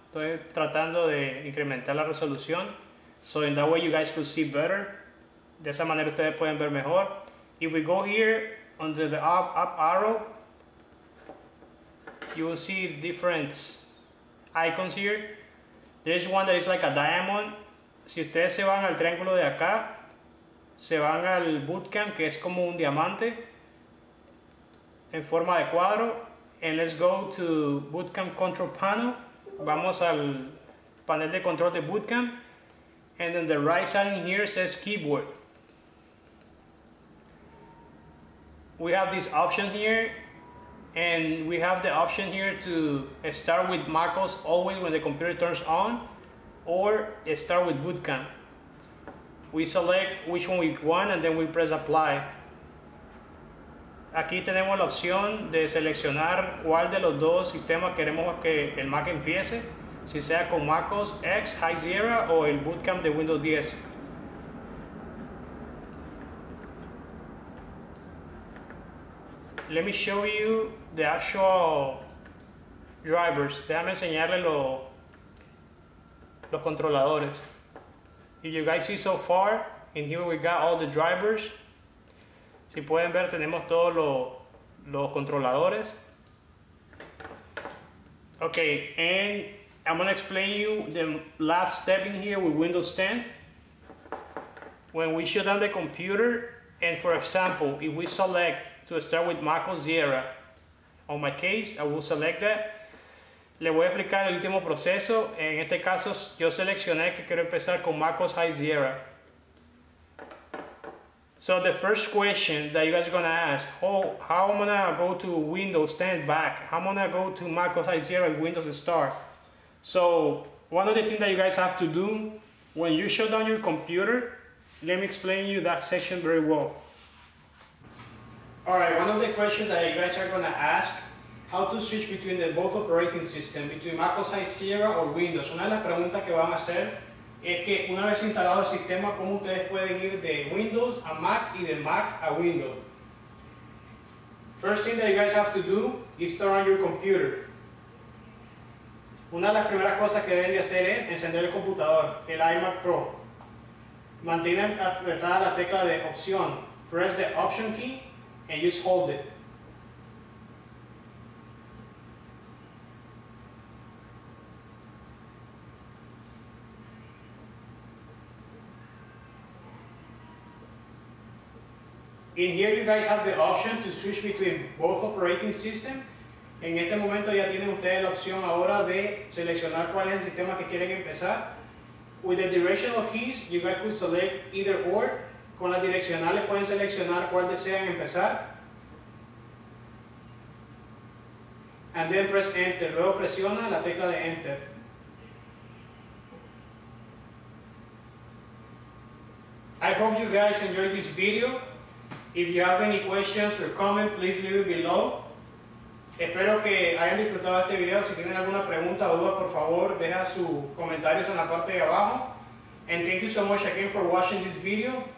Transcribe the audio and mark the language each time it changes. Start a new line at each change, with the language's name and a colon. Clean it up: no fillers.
Spanish: Estoy tratando de incrementar la resolución.
English: So in that way you guys could see better.
Spanish: De esa manera ustedes pueden ver mejor.
English: If we go here under the up arrow, you will see different icons here. There's one that is like a diamond.
Spanish: Si ustedes se van al triángulo de acá, se van al bootcamp que es como un diamante. En forma de cuadro,
English: and let's go to bootcamp control panel.
Spanish: Vamos al panel de control de bootcamp,
English: and then the right side here says keyboard. We have this option here, and we have the option here to start with macOS always when the computer turns on, or start with bootcamp. We select which one we want, and then we press apply.
Spanish: Aquí tenemos la opción de seleccionar cuál de los dos sistemas queremos que el Mac empiece, si sea con macOS X, High Sierra o el bootcamp de Windows 10.
English: let me show you the actual drivers.
Spanish: Déjame enseñarle los controladores.
English: If you guys see so far, in here we got all the drivers.
Spanish: Si pueden ver, tenemos todos los controladores.
English: Okay, and I'm gonna explain you the last step in here with Windows 10. When we shut down the computer, and for example, if we select to start with Mac OS Sierra, on my case, I will select that.
Spanish: Le voy a explicar el último proceso. En este caso, yo seleccioné que quiero empezar con Mac OS High Sierra.
English: So the first question that you guys are gonna ask, how I'm gonna go to Windows 10 back? How I'm gonna go to Mac OS High Sierra with Windows Start? So one of the things that you guys have to do when you shut down your computer, let me explain you that section very well. All right, one of the questions that you guys are gonna ask, how to switch between the both operating systems, between Mac OS High Sierra or Windows.
Spanish: Una de las preguntas que van a hacer es que una vez instalado el sistema, ¿cómo ustedes pueden ir de Windows a Mac y de Mac a Windows?
English: First thing that you guys have to do is turn on your computer.
Spanish: Una de las primeras cosas que deben de hacer es encender el computador, el iMac Pro. Mantienen apretada la tecla de opción.
English: Press the option key and just hold it. In here you guys have the option to switch between both operating systems.
Spanish: En este momento ya tienen ustedes la opción ahora de seleccionar cuál es el sistema que quieren empezar.
English: With the directional keys, you guys could select either or.
Spanish: Con las direccionales pueden seleccionar cuál desean empezar.
English: And then press enter.
Spanish: Luego presiona la tecla de enter.
English: I hope you guys enjoyed this video. If you have any questions or comments, please leave it below.
Spanish: Espero que hayan disfrutado este video. Si tienen alguna pregunta o duda, por favor, deja sus comentarios en la parte de abajo.
English: And thank you so much again for watching this video.